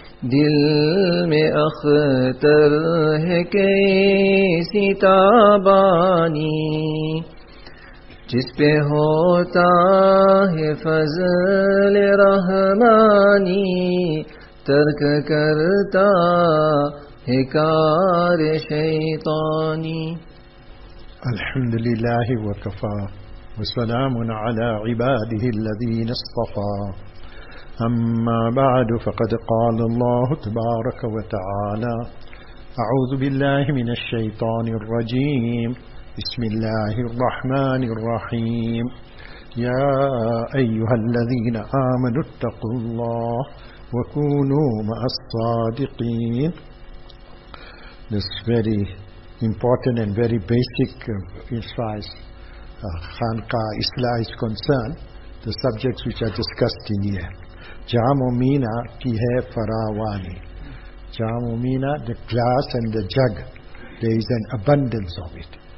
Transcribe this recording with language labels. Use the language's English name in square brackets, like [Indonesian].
[Urdu] دل میں اختر ہے کیسی تابانی، جس پہ ہوتا ہے فضل رحمانی، ترک کرتا ہے کار شیطانی. [Arabic] الحمد لله وكفى وسلام على عباده الذين اصطفى، أما بعد، فقد قال الله تبارك وتعالى: أعوذ بالله من الشيطان الرجيم، بسم الله الرحمن الرحيم: يا أيها الذين آمنوا اتقوا الله وكونوا مع الصادقين. [English] This very important and very basic as far as Khanqa Islah is concerned, the subjects which are discussed in here. [Urdu] Jam Umina ki hai farawani. [English] Jam Umina, the glass and the jug, there is an abundance of it.